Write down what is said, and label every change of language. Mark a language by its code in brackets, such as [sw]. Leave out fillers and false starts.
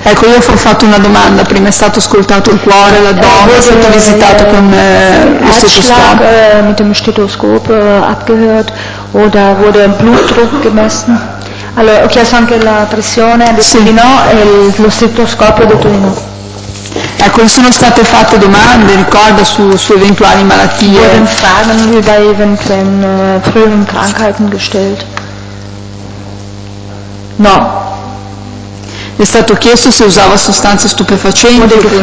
[it] Ecco, io ho fatto una domanda, prima è stato ascoltato il cuore, la donna, è stato visitato con lo stetoscopio. [de] Mit dem Stethoskop abgehört oder wurde ein Blutdruck gemessen? [it] Allora, ho chiesto anche la pressione, ha detto sì. Di no, e lo stetoscopio ha detto di no. Ecco, sono state fatte domande, ricorda, su eventuali malattie. [de] Wurden Fragen über eventuellen früheren Krankheiten gestellt? [it] No. Le è stato chiesto se usava sostanze stupefacenti.